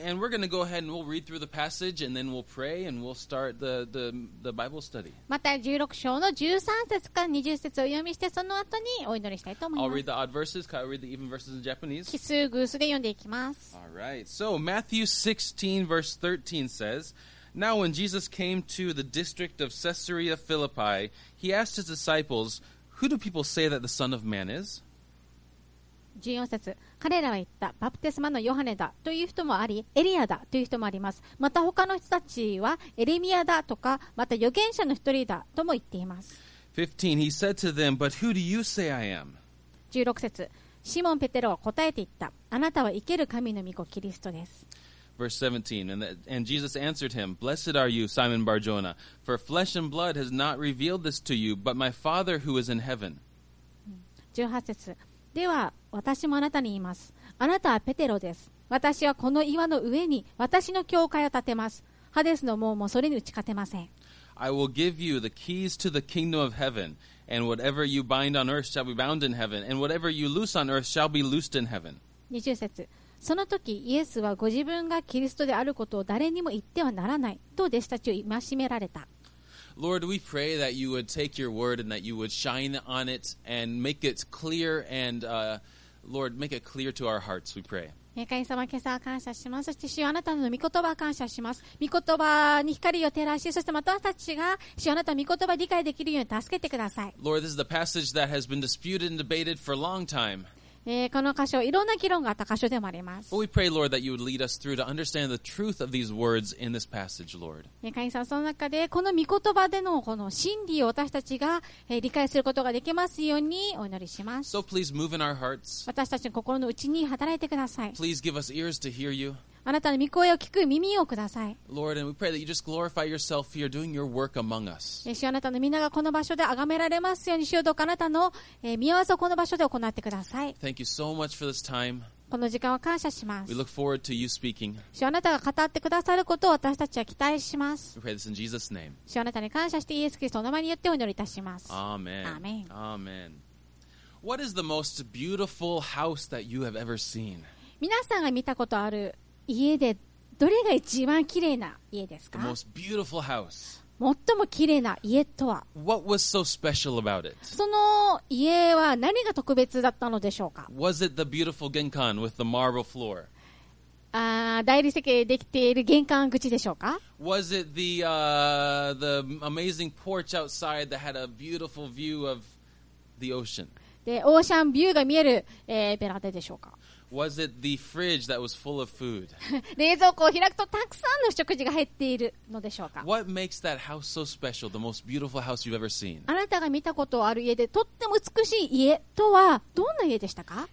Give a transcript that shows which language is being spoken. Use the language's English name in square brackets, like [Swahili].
[English] And we're going to go ahead and we'll read through the passage and then we'll pray and we'll start the Bible study. [Japanese] また16章の13節から20節を読みして、その後にお祈りしたいと思います。 [English] I'll read the odd verses. Can I read the even verses in Japanese? [Japanese] 奇数偶数で読んでいきます。 [English] All right. So, Matthew 16, verse 13 says, Now when Jesus came to the district of Caesarea Philippi, he asked his disciples, Who do people say that the Son of Man is? [Japanese] 14節、彼らは言った、バプテスマのヨハネだという人もあり、エリアだという人もあります。また他の人たちは、エレミアだとか、また預言者の一人だとも言っています。 [English] 15, he said to them, But who do you say I am? [Japanese] 16節、シモン・ペテロは答えて言った、あなたは生ける神の御子キリストです。 [English] Verse 17, and Jesus answered him, Blessed are you, Simon Barjona, for flesh and blood has not revealed this to you, but my Father who is in heaven. [Japanese] 18節、では私もあなたに言います。あなたはペテロです。私はこの岩の上に私の教会を建てます。ハデスの門もそれに打ち勝てません。 [English] I will give you the keys to the kingdom of heaven, and whatever you bind on earth shall be bound in heaven, and whatever you loose on earth shall be loosed in heaven. [Japanese] 20節。その時イエスはご自分がキリストであることを誰にも言ってはならないと弟子たちを戒められた。 [English] Lord, we pray that you would take your word and that you would shine on it and make it clear and, Lord, make it clear to our hearts, we pray. [Japanese] 神様、今朝は感謝します。そして主よ、あなたの御言葉を感謝します。御言葉に光を照らし、そしてまた私たちが主よ、あなたの御言葉を理解できるように助けてください。 [English] Lord, this is the passage that has been disputed and debated for a long time. [Japanese] この箇所、いろんな議論があった箇所でもあります。 [English] But we pray, Lord, that you would lead us through to understand the truth of these words in this passage, Lord. [Japanese] 神様、その中で、この御言葉でのこの真理を私たちが理解することができますようにお祈りします。 [English] So please move in our hearts. [Japanese] 私たちの心の内に働いてください。 [English] Please give us ears to hear you. [Japanese] あなたの御声を聞く耳をください。 [English] Lord, and we pray that you just glorify yourself here doing your work among us. [Japanese] 主よ、あなたの皆がこの場所で崇められますように、主よ、どうかあなたの御業をこの場所で行ってください。 [English] Thank you so much for this time. [Japanese] この時間は感謝します。 [English] We look forward to you speaking. [Japanese] 主よ、あなたが語ってくださることを私たちは期待します。 [English] We pray this in Jesus' name. [Japanese] 主よ、あなたに感謝してイエス・キリストの名前によってお祈りいたします。 [English] Amen. Amen. Amen. What is the most beautiful house that you have ever seen? [Japanese] 皆さんが見たことある家でどれが一番綺麗な家ですか？ [English] The most beautiful house. [Japanese] 最も綺麗な家とは？ [English] What was so special about it? [Japanese] その家は何が特別だったのでしょうか？ [English] Was it the beautiful 玄関 with the marble floor? [Japanese] 大理石でできている玄関口でしょうか？ [English] Was it the, the amazing porch outside that had a beautiful view of the ocean? [Japanese] で、オーシャンビューが見える、ベランダでしょうか？ [English] Was it the fridge that was full of food? [Japanese] 冷蔵庫を開くとたくさんの食事が入っているのでしょうか? [English] What makes that house so special, the most beautiful house you've ever seen? [Japanese] あなたが見たことある家でとっても美しい家とはどんな家でしたか?